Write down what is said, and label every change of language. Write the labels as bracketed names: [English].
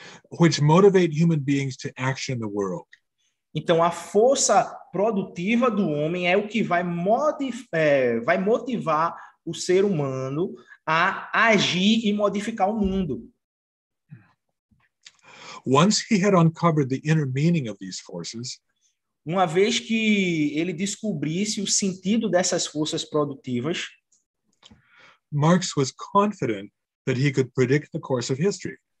[English] Which motivate human beings to action in the world. [Portuguese] Então, a força produtiva do homem é o que vai motivar o ser humano a agir e modificar o mundo. [English] Once he had uncovered the inner meaning of these forces, [Portuguese] uma vez que ele descobrisse o sentido dessas forças produtivas, [English] Marx was confident that he could predict the course of history.